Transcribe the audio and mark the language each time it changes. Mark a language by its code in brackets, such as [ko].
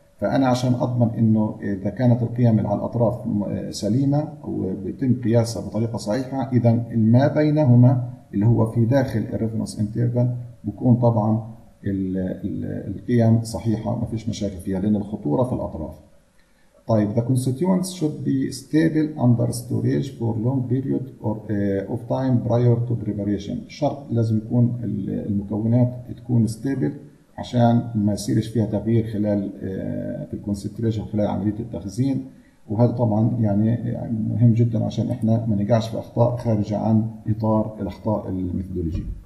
[ar] فأنا عشان أضمن إنه إذا كانت القيم على الأطراف سليمة وبيتم قياسها بطريقة صحيحة، إذا ما بينهما اللي هو في داخل الريفرنس انترفال بكون طبعاً القيم صحيحة ما فيش مشاكل فيها لأن الخطورة في الأطراف. [en] طيب the constituents should be stable under storage for long period or of time prior to preparation. [ar] شرط لازم يكون المكونات تكون stable عشان ما يصيرش فيها تغيير خلال في الكونسنتريشن خلال عمليه التخزين، وهذا طبعا يعني مهم جدا عشان احنا ما نقعش في اخطاء خارجه عن اطار الاخطاء الميثودولوجيه.